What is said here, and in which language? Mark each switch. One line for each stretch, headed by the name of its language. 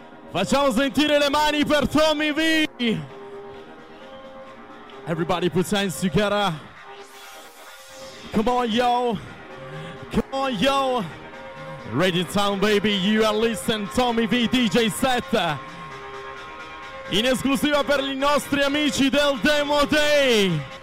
Italian: Facciamo sentire le mani per Tommy V.
English: Everybody put hands together. Come on, yo. Come on, yo. Radio Town, baby, you are listening. Tommy V, DJ set.
Italian: In esclusiva per i nostri amici del Demo Day.